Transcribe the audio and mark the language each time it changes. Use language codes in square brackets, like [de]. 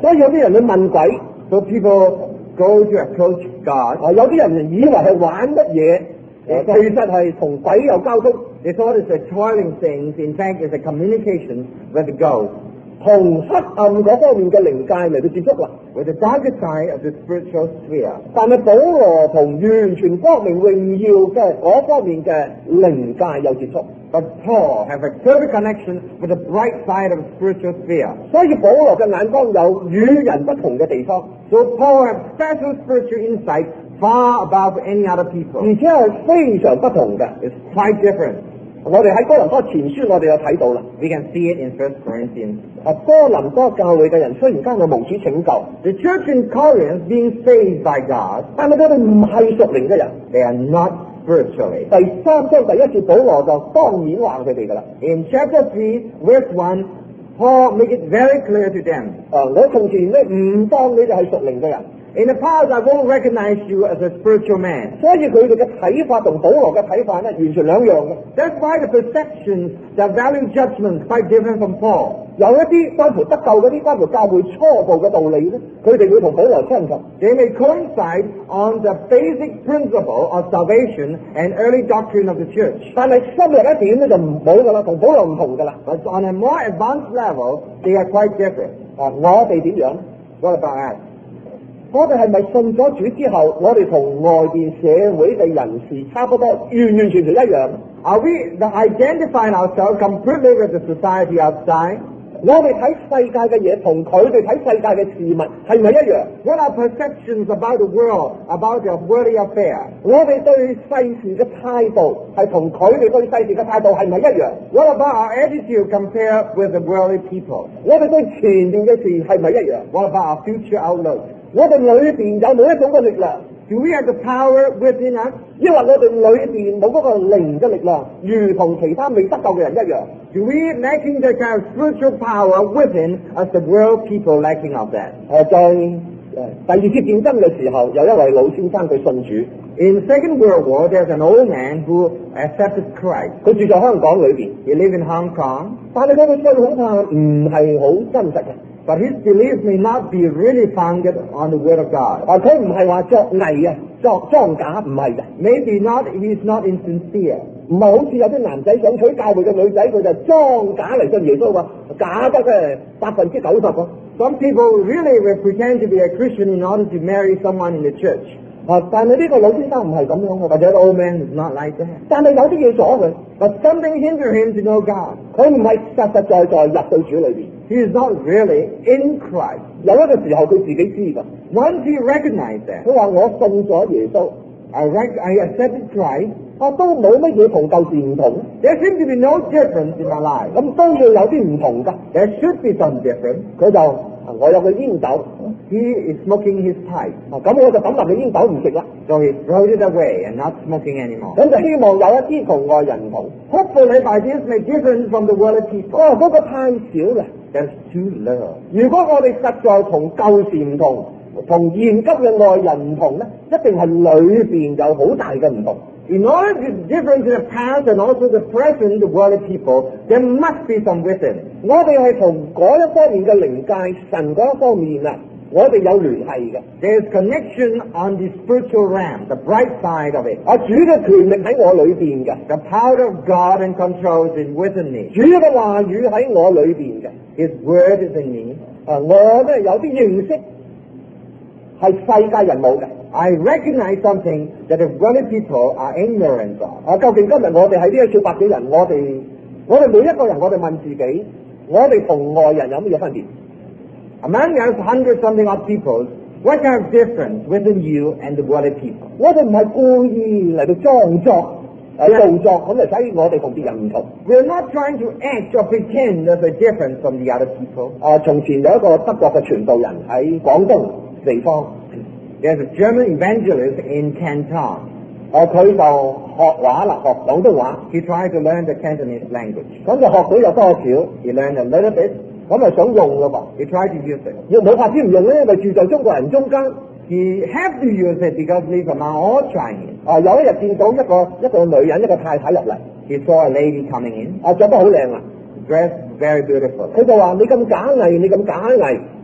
[zh] 所以有些人去问鬼 [en] So people go to approach God [zh] 有些人以为是玩什么其实是跟鬼有交通 [en] They thought it's a toiling thing In fact it's a communication with the ghost [zh] 同黑暗嗰方面嘅灵界嚟到接触啦 [en] ，with the darker side of the spiritual sphere。 [zh] 但系保罗同完全光明荣耀嘅嗰方面嘅灵界有接触 [en] ，but Paul have a clear connection with the bright side of the spiritual sphere。 [zh] 所以保罗嘅眼光有与人不同嘅地方 [en] ，so Paul have special spiritual insight far above any other people。 [zh] 而且系非常不同嘅 [en] ，it's quite different。 [zh] 我哋喺哥林多前书，我哋有睇到啦。 [en] We can see it in First Corinthians。 [zh] 哥林多教会嘅人虽然间有蒙主拯救 [en] ，the church in Corinth being saved by God， [zh] 但系佢哋唔系属灵嘅人 [en] ，they are not spiritually。 [zh] 第三章第一节保罗就当然话佢哋噶啦。 [en] In chapter 3 verse 1 Paul make it very clear to them。 [zh] 我从前咧唔当你哋系属灵嘅人。 [en] In the past, I won't recognize you as a spiritual man. [zh] 所以佢哋嘅睇法同保罗嘅睇法咧，完全两样嘅。 [en] That's why the perceptions, the value judgments, quite different from Paul. [zh] 有一啲关乎得救嗰啲，关乎教会初步嘅道理咧，佢哋会同保罗冲突。 [en] They may coincide on the basic principle of salvation and early doctrine of the church. [zh] 但系深入一点咧，就唔好噶啦，同保罗唔同噶啦。 [en] But on a more advanced level, they are quite different. [zh] 啊，我哋点样 [en] ？What about us? [zh] 我哋系咪信咗主之后，我哋同外边社会嘅人士差不多，完完全全一样 [en] ？Are we the identifying ourselves completely with the society outside？ [zh] 我哋睇世界嘅嘢同佢哋睇世界嘅事物系咪一样 [en] ？What are perceptions about the world, about your worldly affair？ [zh] 我哋对世事嘅态度系同佢哋对世事嘅态度系咪一样 [en] ？What about our attitude compared with the worldly people？ [zh] 我哋对前面嘅事系咪一样 [en] ？What about our future outlook？ [zh] 我哋里边有冇一种嘅力量 [en] ？Do we have the power within us？ [zh] 因为我哋里边冇嗰个灵嘅力量，如同其他未得救嘅人一样。 [en] Do we lacking the kind of spiritual power within as the world people lacking of that？ [zh] 在第二次战争嘅时候，有一位老先生佢信主。 [en] In Second World War, there's an old man who accepted Christ. [zh] 佢住在香港里边。 [en] He lived in Hong Kong。 [zh] 但系佢嘅信仰唔系好真实嘅。 [en] But his belief may not be really founded on the word of God. [zh] 啊，佢唔系话作伪啊，作假唔系嘅。 [en] Maybe not. He is not insincere. [zh] 唔系好似有啲男仔想娶教会嘅女仔，佢就装假嚟信耶稣啊，假得嘅90%啊。 [en] Some people really will pretend to be a Christian in order to marry someone in the church. [zh] 啊，但系呢个老先生唔系咁样嘅，或者 [en] old man is not like that. [zh] 但系有啲嘢阻佢。 [en] But something hinders him to know God. [zh] 佢唔系实实在在入到主里边。 [en] He is not really in Christ. [zh] 有一个时候佢自己知噶。 [en] Once he recognized that, [zh] 佢话我信咗耶稣 [en] ，I accepted Christ. [zh] 我都冇乜嘢同旧时唔同。 [en] There seems to be no difference in my life. [zh] 咁都要有啲唔同噶。 [en] There should be some difference. [zh] 佢就我有个烟斗 [en] ，He is smoking his pipe. [zh] 啊，咁我就抌埋个烟斗唔食啦。 [en] So he threw it away and not smoking anymore. [zh] 咁就希望有一啲同外人唔同。 [en] Hopefully by this may different from the worldly people. [zh] 哦，嗰个太少啦。 [en] That's too little. [zh] 如果我哋实在同旧时唔同，同现今嘅外人唔同咧，一定系里边有好大嘅唔同。 [en] In order to be different to the past and also the present, the worldly people, there must be some within. [zh] 我哋系同嗰一方面嘅灵界、神嗰一方面啊，我哋有联系嘅。 [en] There's connection on the spiritual realm, the bright side of it. [zh] 啊，主嘅权力喺我里边嘅。 [en] The power of God and control is in within me. [zh] 主嘅话语喺我里边嘅。 [en] His word is in me. [zh] 啊，我咧有啲认识系世界人冇嘅。 [en] I recognize something that the worldly people are ignorant of. [zh] 啊，究竟今日我哋喺呢1400多人，我哋每一个人，我哋问自己，我哋同外人有乜嘢分别？ [en] Among those 100-something odd people, what kind of difference within you and the worldly people? [zh] 我哋唔系故意嚟到装作、做作，咁就使我哋同别人唔同。 [en] We're not trying to act or pretend there's a difference from the other people. [zh] 啊，从前有一个德国嘅传道人喺广东地方 [en] ，There's a German evangelist in Canton. [zh] 啊，佢就学话啦，学广东话。 [en] He tried to learn the Cantonese language. [zh] 咁就学到有多少 [en] ？He learned a little bit. [zh] 咁咪想用喎， [en] 你 try to use it， [zh] 又冇法子唔用咧，因为住在中国人中间。 [en] He have to use it because live among all Chinese。 [zh] 有一日见到一个女人，一个太太入嚟 [en] ，He saw a lady coming in。 [zh] 着得好靓啊 [en] ，dressed very beautiful。 [zh] 佢就话你咁假伪，你咁假伪。